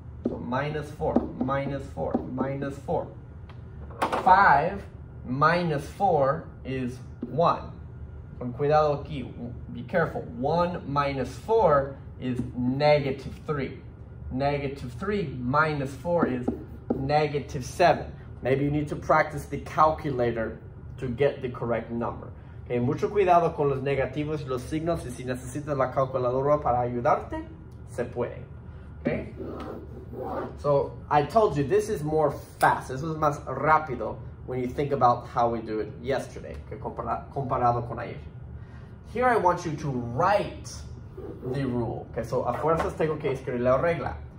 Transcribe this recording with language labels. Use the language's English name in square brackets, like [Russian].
[English] So minus 4, minus 4, minus 4. 5 minus 4 is 1. [Spanish] Con cuidado aquí, [English] be careful. 1 minus 4 is negative 3. Negative 3 minus 4 is negative 7. Maybe you need to practice the calculator to get the correct number. [Spanish] Okay, mucho cuidado con los negativos y los signos, y si necesitas la calculadora para ayudarte, se puede. [English] Okay? So, I told you, this is more fast. This is [Spanish] más rápido [English] when you think about how we do it yesterday, [Spanish] que comparado con ayer. [English] Here I want you to write the rule. [Spanish] Okay, so, a fuerzas tengo que escribir la regla.